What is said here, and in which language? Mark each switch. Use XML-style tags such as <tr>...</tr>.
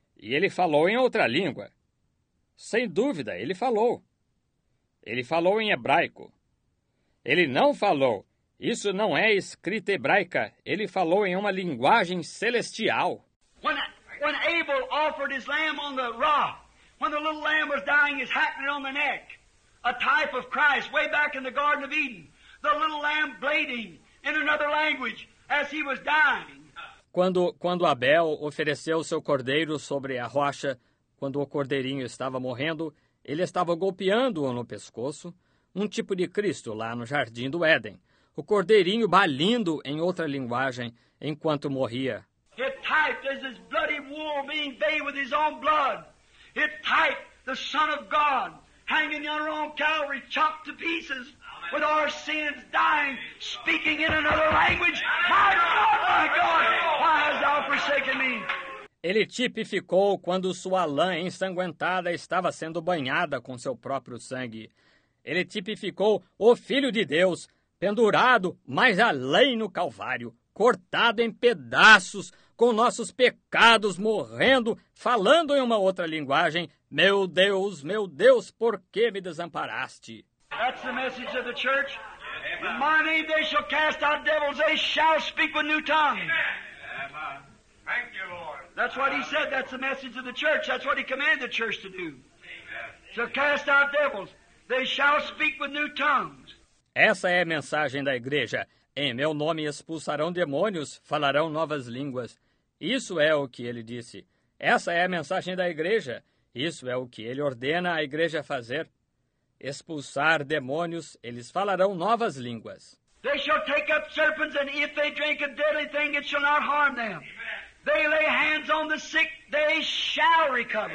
<pt>E ele falou em outra língua. Sem dúvida, ele falou. Ele falou em hebraico. Ele não falou. Isso não é escrita hebraica. Ele falou em uma linguagem celestial.</pt> <en>When Abel offered his lamb on the rock, when the little lamb was dying, his hat on the neck, a type of Christ, way back in the Garden of Eden, the little lamb bleeding in another language as he was dying.</en> <pt>Quando Abel ofereceu seu cordeiro sobre a rocha, quando o cordeirinho estava morrendo, ele estava golpeando-o no pescoço, um tipo de Cristo lá no Jardim do Éden, o cordeirinho balindo em outra linguagem enquanto morria.</pt> <en>It typed as his bloody wool being bathed with his own blood. It typed the Son of God hanging on our own Calvary, chopped to pieces. With our sins dying, speaking in another language, my God, why hast thou forsaken me?</en> <pt>Ele tipificou quando sua lã ensanguentada estava sendo banhada com seu próprio sangue. Ele tipificou o Filho de Deus, pendurado mais além no Calvário, cortado em pedaços, com nossos pecados morrendo, falando em uma outra linguagem, meu Deus, por que me desamparaste?</pt> <en>That's the message of the church. Amen. In my name they shall cast out devils, they shall speak with new tongues. Amen. Thank you, Lord. That's what he said, that's the message of the church. That's what he commanded the church to do. Amen. So cast out devils, they shall speak with new tongues.</en> <pt>Essa é a mensagem da igreja. Em meu nome expulsarão demônios, falarão novas línguas. Isso é o que ele disse. Essa é a mensagem da igreja. Isso é o que ele ordena a igreja fazer. Expulsar demônios, eles falarão novas línguas.</pt> <en>They shall take up serpents, and if they drink a deadly thing, it shall not harm them. Amen. They lay hands on the sick, they shall recover.</en>